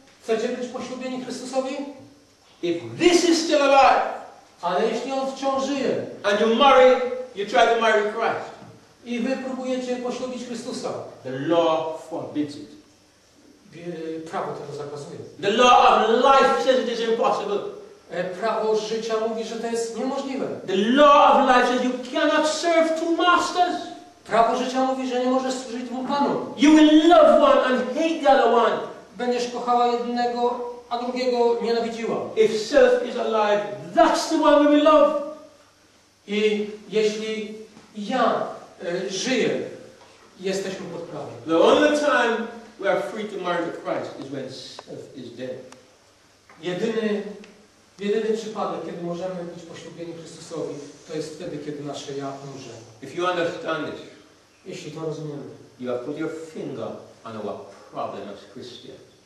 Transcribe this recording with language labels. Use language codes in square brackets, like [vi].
[pl] Chcecie być poślubieni Chrystusowi? [en] If this is still alive, [pl] ale jeśli on wciąż żyje, [en] and you marry, you try to marry Christ, [pl] i wy próbujecie poślubić Chrystusa, [en] the law forbids it. [pl] Prawo tego zakazuje. [en] The law of life says it is impossible. [pl] Prawo życia mówi, że to jest niemożliwe. [en] The law of life says you cannot serve two masters. [pl] Prawo życia mówi, że nie możesz służyć dwóm panom. [en] You will love one and hate the other one. [pl] Będziesz kochała jednego, a drugiego nienawidziła. [en] If self is alive, that's the one we will love. [pl] I jeśli ja żyję, jesteśmy pod prawem. [en] The only time we are free to marry Christ is when self is dead. [pl] Jedyny przypadek, kiedy możemy być poślubieni Chrystusowi, to jest wtedy, kiedy nasze ja umrze. [en] If you understand it, [pl] jeśli to rozumiemy, [en] you have put your finger on our problem as Christians.